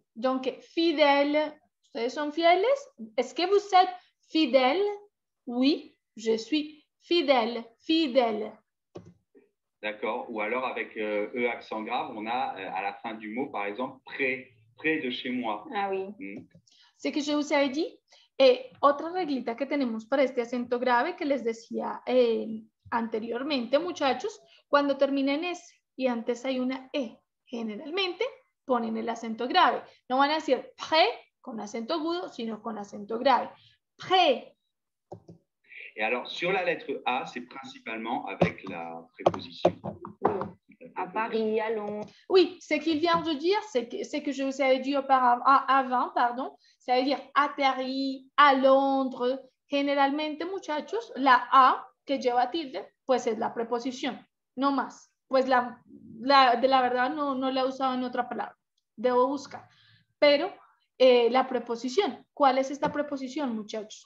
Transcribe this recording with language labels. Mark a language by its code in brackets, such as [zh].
[fr] Donc, fidèle, vous êtes fidèles? Est-ce que vous êtes fidèle? Oui, je suis fidèle, fidèle. D'accord. Ou alors avec E accent grave, on a à la fin du mot, par exemple, prêt. Près de chez moi. Ah oui. C'est que je vous avais dit. Et autre [es] réglita que tenemos para este acento grave que les decía anteriormente, muchachos, cuando terminen S y antes hay una E, generalmente ponen el acento grave. No van a decir pré con acento agudo, sino con acento grave. [fr] Pré. Et alors, sur la lettre A, c'est principalement avec la préposition. À Paris, à Londres. Oui, ce qu'il vient de dire, c'est que je vous avais dit avant, ça veut dire à Paris, à Londres. [es] Généralement, muchachos, la A que lleva tilde, pues es la preposición, no más. Pues la verdad, no la he usado en otra palabra. Debo buscar. Pero la preposición, ¿cuál es esta preposición, muchachos?